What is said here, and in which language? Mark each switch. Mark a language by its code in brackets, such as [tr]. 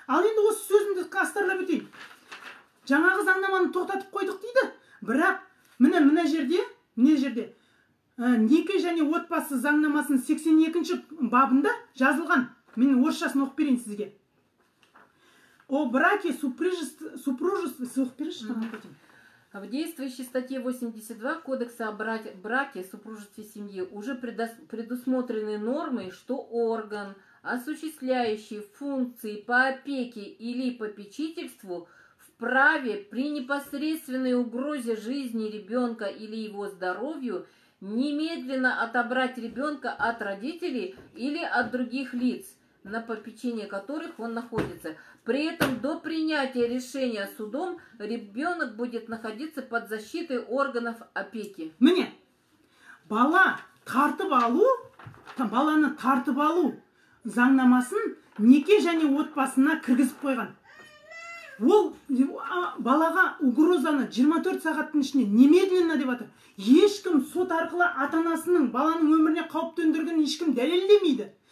[kk] Ал енді осы сөзімді қастарлап өтейін. Жаңағы заңнаманы тоқтатып қойдық дейді. Бірақ мына жерде неке және отбасы заңнамасын 82-ші бабында жазылған. Мен орысшасын оқып берейін сізге. [ru] О браке супружества в действующей статье 82 Кодекса о браке, супружестве, семье уже предусмотрены нормы, что орган, осуществляющий функции по опеке или попечительству, вправе при непосредственной угрозе жизни ребенка или его здоровью немедленно отобрать ребенка от родителей или от других лиц, на попечении которых он находится. При этом до принятия решения судом ребенок будет находиться под защитой органов опеки. [kk] Міне, бала тартып алу, баланы тартып алу заңнамасын неке және отбасына кіргізіп қойған. Ол балаға угрозаны 24 сағаттың ішінде немедленно деп атыр. Ешкім сот арқылы ата-анасының баланың өміріне қауіп төндірген ешкім дәлелдемейді.